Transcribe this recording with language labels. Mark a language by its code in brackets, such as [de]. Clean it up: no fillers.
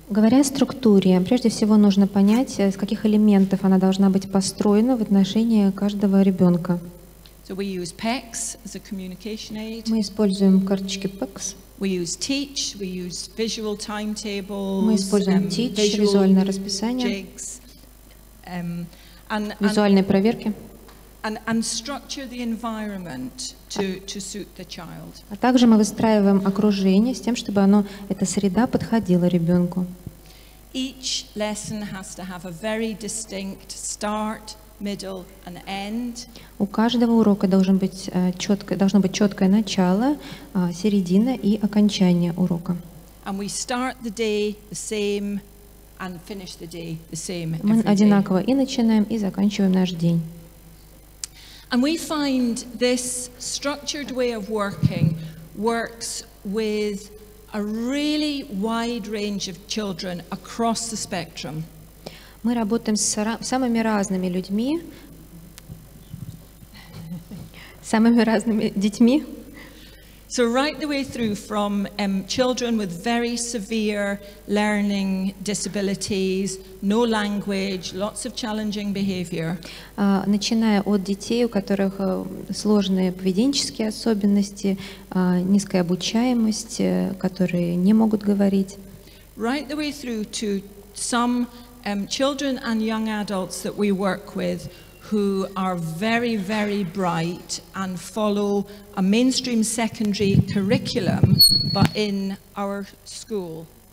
[ru] Говоря о структуре, прежде всего нужно понять, из каких элементов она должна быть построена в отношении каждого ребенка. [en] So we use PECS as a communication aid. [ru] Мы используем карточки PECS. [en] We use teach, we use visual timetables, [ru] мы используем teach, визуальное расписание, [en] jigs, [ru] визуальные проверки. [en] And structure the environment to suit the child. [ru] А также мы выстраиваем окружение с тем, чтобы оно, эта среда подходила ребенку. [en] Each lesson has to have a very distinct start, middle, and end. [ru] У каждого урока должно быть четкое начало, середина и окончание урока. [en] And we start the day the same and finish the day the same. [ru] Мы одинаково и начинаем, и заканчиваем наш день. [en] And we find this structured way of working works with a really wide range of children across the spectrum. [ru] Мы работаем с самыми разными людьми, самыми разными детьми. [en] So right the way through from children with very severe learning disabilities, no language, lots of challenging behavior. [ru] Начиная от детей, у которых сложные поведенческие особенности, низкая обучаемость, которые не могут говорить. [en] Right the way through to some children and young adults that we work with, who are very, very bright and follow a mainstream secondary curriculum, but in our school.